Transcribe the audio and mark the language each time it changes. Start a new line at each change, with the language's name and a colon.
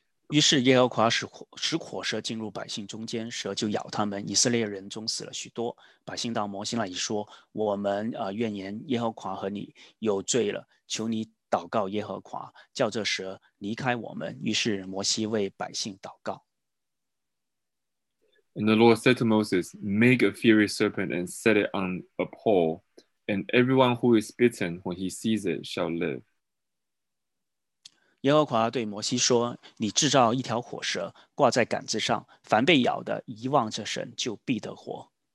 Chinese: 于是耶和华使火蛇进入百姓中间，蛇就咬他们，以色列人中死了许多。百姓到摩西那里说，我们怨言耶和华和你有罪了，求你祷告耶和华，叫这蛇离开我们。于是摩西为百姓祷告。
English: And the Lord said to Moses, Make a fiery serpent and set it on a pole, and everyone who is bitten when he sees it shall live.
Chinese: 耶和华对摩西说，你制造一条火蛇挂在杆子上，凡被咬的一望着神就必得活。